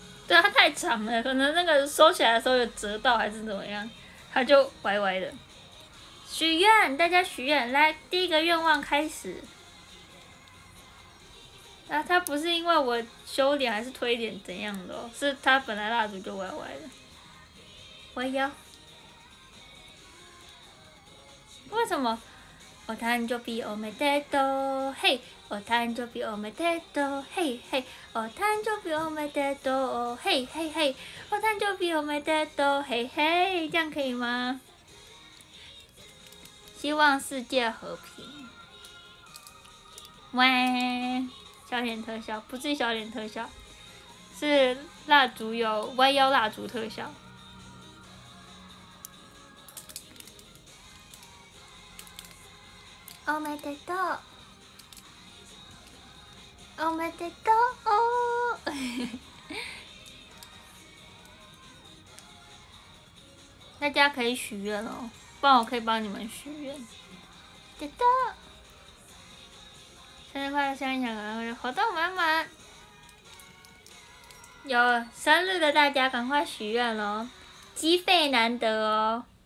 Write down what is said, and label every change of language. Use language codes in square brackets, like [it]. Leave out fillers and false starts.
[zh] 对它太长了可能那个收起来的时候有折到还是怎么样它就歪歪的许愿大家许愿来第一个愿望开始啊它不是因为我修脸还是推脸怎样的、哦、是它本来蜡烛就歪歪的我要为什么 [ja] お誕生日おめでとう、 [zh] 嘿！ [ja] お誕生日おめでとう、嘿嘿！お誕生日おめでとう、嘿嘿嘿！お誕生日おめでとう、嘿嘿！ [zh] 这样可以吗？希望世界和平。喂，小脸特效不是小脸特效，是蜡烛有弯腰蜡烛特效。 [ja] おめでとう。おめでとう。 [zh] 大家可以许愿哦，不然我可以帮你们许愿。得到。生日快乐，生日快乐，活动满满。有生日的大家赶快许愿哦，机费难得哦。